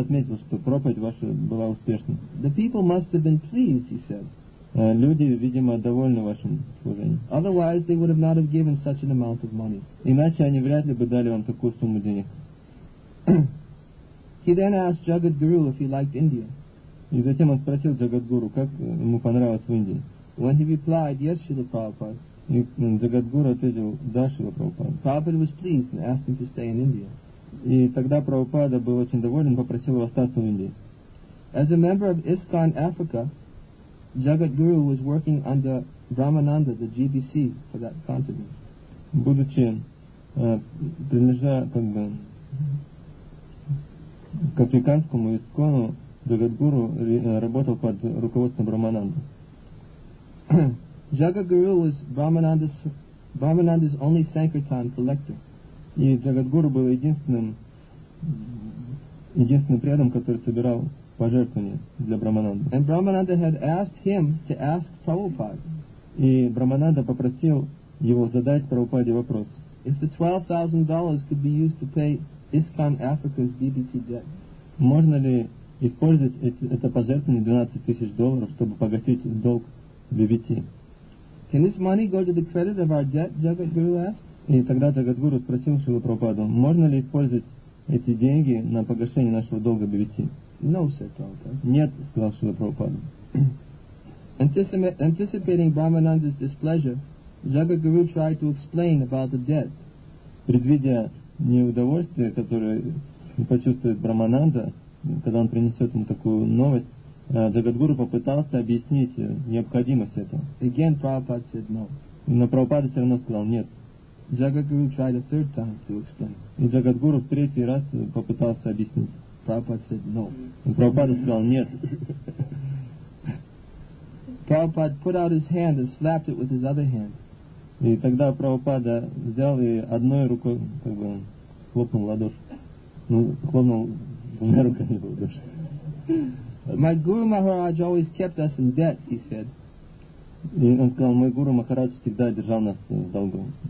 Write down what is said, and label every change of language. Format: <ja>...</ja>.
<ru>отметил, что проповедь ваша была успешной.</ru> <en>The people must have been pleased, he said.</en> <ru>Люди, видимо, довольны вашим служением.</ru> <en>Otherwise, they would have not have given such an amount of money.</en> <ru>Иначе они вряд ли бы дали вам такую сумму денег.</ru> <en>He then asked Jagat Guru if he liked India.</en> <ru>И затем он спросил Jagat Guru, как ему понравилось в Индии.</ru> <en>When he replied, yes, Srila Prabhupada.</en> <ru>И Jagat Guru ответил, да, Srila Prabhupada.</ru> <en>Prabhupada was pleased and asked him to stay in India.</en> <ru>И тогда Прабхупада был очень доволен, попросил его остаться в Индии.</ru> <en>As a member of ISKCON Africa, Jagat Guru was working under Brahmananda, the GBC, for that continent.</en> <ru>Будучи принадлежа как бы к африканскому ИСКОНу, Jagat Guru работал под руководством Брамананды.</ru> <en>Jagat Guru was Brahmananda's only Sankirtan collector.</en> <ru>И Jagat Guru был единственным преданным, который собирал пожертвования для Брамананды.</ru> <en>And Brahmananda had asked him to ask Prabhupada.</en> <ru>И Брамананда попросил его задать Прабхупаде вопрос.</ru> <en>If the $12,000 could be used to pay ISKCON Africa's DBT debt.</en> <ru>Можно ли использовать это пожертвование $12,000, чтобы погасить долг DBT?</ru> <en>Can this money go to the credit of our debt, Jagat Guru asked?</en> <ru>И тогда Jagat Guru спросил Шрилу Прабхупаду, можно ли использовать эти деньги на погашение нашего долга DBT?</ru> <en>No, said Prabhupada.</en> <ru>Нет, сказал Шрила Прабхупада.</ru> <en>Anticipating Brahmananda's displeasure, Jagat Guru tried to explain about the debt.</en> <ru>Предвидя неудовольствие, которое почувствует Брамананда, когда он принесет ему такую новость, Jagat Guru попытался объяснить необходимость этого.</ru> <en>Again, Prabhupada said no.</en> <ru>Но Прабхупада все равно сказал нет.</ru> <en>Jagat Guru tried a third time to explain.</en> <ru>И Jagat Guru в третий раз попытался объяснить.</ru> <en>Prabhupada said no.</en> <ru>Prabhupada сказал нет.</ru> <en>Prabhupada put out his hand and slapped it with his other hand.</en> <ru>И тогда Прабхупада взял и одной рукой как бы хлопнул ладошь. Ну, хлопнул двумя руками в ладошь.</ru> <en>My Guru Maharaj always kept us in debt, he said.</en> <ru>И он сказал, мой Гуру Махарадж всегда держал нас в долгу.</ru>